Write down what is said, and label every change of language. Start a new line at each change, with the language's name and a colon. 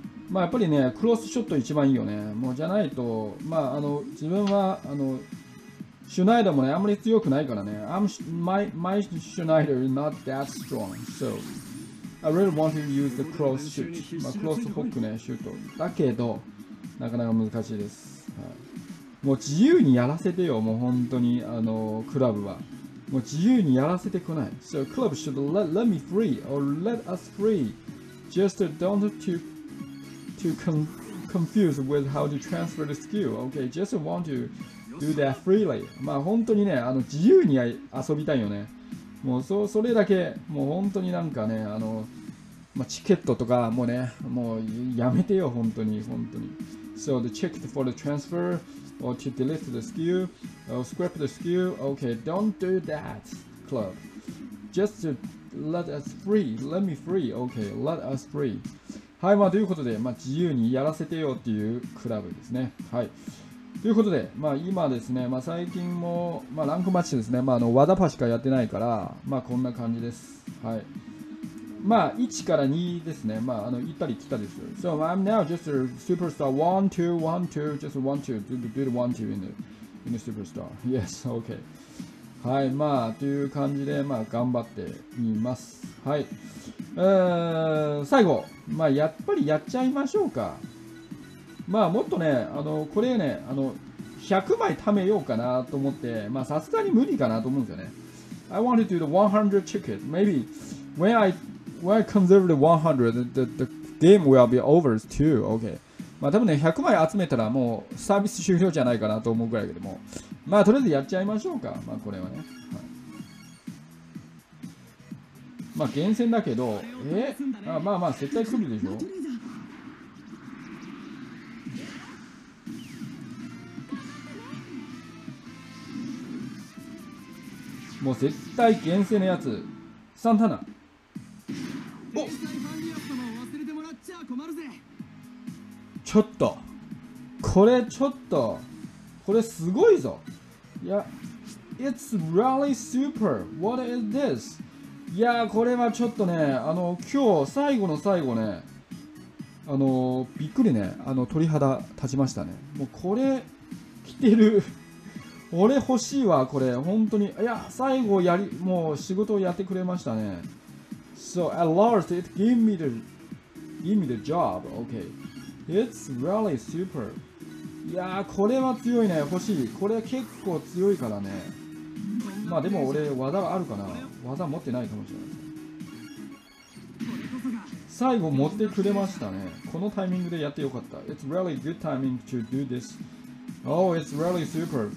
Japanese: まあやっぱりね、クロスショット一番いいよね。もうじゃないと、まああの、自分は、あの、シュナイダーもね、あんまり強くないからね。
English: My Schneider is not that strong. So, I really want to use the cross shoot.
Japanese: まあクロスホックね、シュート。だけど、なかなか難しいです。はい、もう自由にやらせてよ、もう本当に、あの、クラブは。もう自由にやらせてこない。
English: So, club should let me free, or let us free. Just don't toconfuse with how to transfer the skill. Okay, just want to do that freely.
Japanese: まあ本当にね、あの自由に遊びたいよね。もうそれだけ、もう本当になんかね、あの、まあ、チケットとかもね、もうやめてよ、本当に、本当に。
English: So the check for the transfer or to delete the skill or scrap the skill. Okay, don't do that, club. Just let us free. Let me free. Okay, let us free.
Japanese: はい、まあということで、まあ自由にやらせてよっていうクラブですね。はい、ということで、まあ今ですね、まあ最近もまあランクマッチですね、まああの技パしかやってないから、まあこんな感じです。はい、まあ1から2ですね。まああの行ったり来たりする。
English: So I'm now just a superstar 1-2-1-2 just 1-2 do the 1-2 in the superstar. Yes, okay.
Japanese: はい、まあという感じで、まあ頑張ってみます。はい、最後、まあやっぱりやっちゃいましょうか。まあもっとね、あのこれね、あの100枚貯めようかなと思って、まあさすがに無理かなと思うんですよね。
English: I want to do the 100 ticket. Maybe when I conserve the 100, the game will be over too. Okay.
Japanese: まあ多分ね、100枚集めたらもうサービス終了じゃないかなと思うぐらいけども、まあとりあえずやっちゃいましょうか。まあこれはね、まあ厳選だけど、あ、まあまあ絶対来るでしょ。もう絶対厳選のやつ、サンタナ。お、ちょっとこれ、ちょっとこれすごいぞ。
English: いや、 It's really super. What is this?
Japanese: いやー、これはちょっとね、あの今日最後の最後ね、あのびっくりね、あの鳥肌立ちましたね。もうこれ着てる俺欲しいわ、これ本当に。いや、最後やり、もう仕事をやってくれましたね。
English: So at last it gave me the job. Okay, it's really super.
Japanese: いやー、これは強いね、欲しい。これ結構強いからね。まあでも俺技があるかな、技持ってないかもしれない。最後持ってくれましたね。このタイミングでやってよかった。
English: It's really good timing to do this. Oh, it's really super.